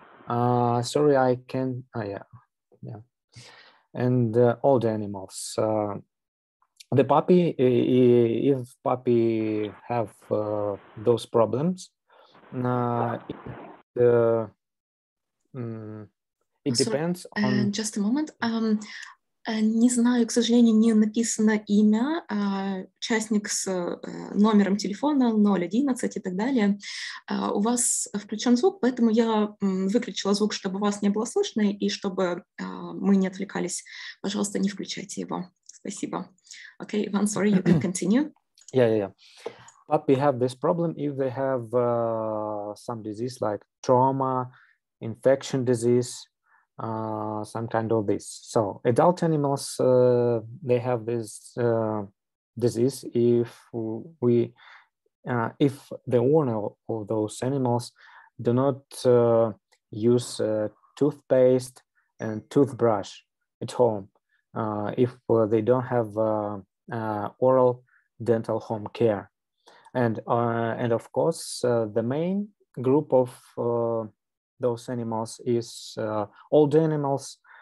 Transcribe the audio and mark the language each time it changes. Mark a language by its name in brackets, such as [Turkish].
[English] And all the animals. The puppy, if puppy have those problems, it depends on. Just a moment. [Russian] Не знаю, к сожалению, не написано имя, участник с номером телефона 011 и так далее. У вас включен звук, поэтому я выключила звук, чтобы вас не было слышно, и чтобы мы не отвлекались. Пожалуйста, не включайте его. Спасибо. [English] Okay, Ivan, sorry, you can continue. But we have this problem if they have some disease like trauma, infection disease, some kind of this. So adult animals, they have this disease if we if the owner of those animals do not use toothpaste and toothbrush at home, if they don't have oral dental home care, and of course the main group of those animals is old animals.